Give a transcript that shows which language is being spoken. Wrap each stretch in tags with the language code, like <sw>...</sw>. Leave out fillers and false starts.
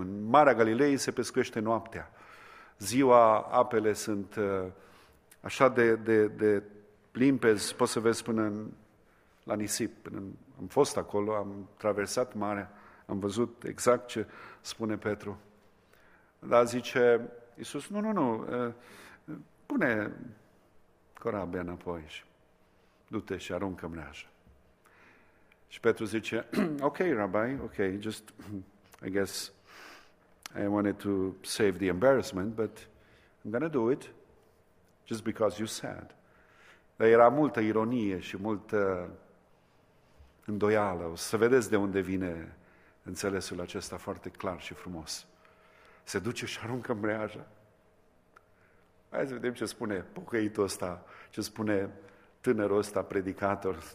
<ro>În Marea Galilei se pescuiește noaptea. Ziua, apele sunt așa de limpezi, poți să vezi până la nisip. Am fost acolo, am traversat marea, am văzut exact ce spune Petru. Dar zice Iisus, nu, pune corabia înapoi și du-te și aruncă mreaja. Și Petru zice,</ro> <en>ok, rabbi, ok, just, I guess, I wanted to save the embarrassment, but I'm gonna do it just because you said.</en> <ro>Dar era multă ironie și multă îndoială. O să vedeți de unde vine înțelesul acesta foarte clar și frumos. Se duce și aruncă mreaja. Hai să vedem ce spune pocăitul ăsta, ce spune tânărul ăsta, predicator.</ro>